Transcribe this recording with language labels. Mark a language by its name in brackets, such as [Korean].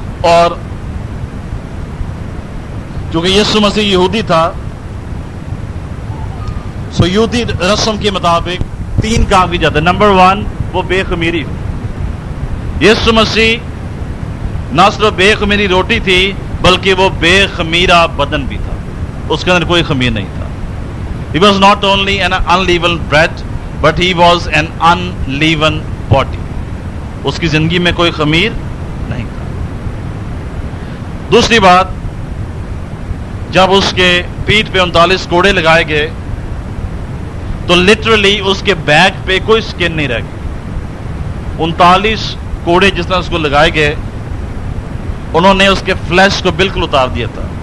[Urdu] اور چونکہ یسوع مسیح یہودی تھا, سو یہودی رسم کے مطابق 3 کام کیے جاتے ہیں. نمبر 1, وہ بے خمیری. یسوع مسیح نہ صرف بے خمیری روٹی تھی بلکہ وہ بے خمیرہ بدن بھی تھا, اس کے اندر کوئی خمیر نہیں تھا. [English] He was not only an unleavened bread but he was an unleavened body. [Urdu] اس کی زندگی میں کوئی خمیر نہیں تھا. دوسری بات, جب اس کے پیٹ پہ 39 کوڑے لگائے گئے تو لٹرلی اس کے بیک پہ کوئی سکن نہیں رہ گئی. 39 کوڑے جس طرح اس کو لگائے گئے, انہوں نے اس کے فلیش کو بالکل اتار دیا تھا.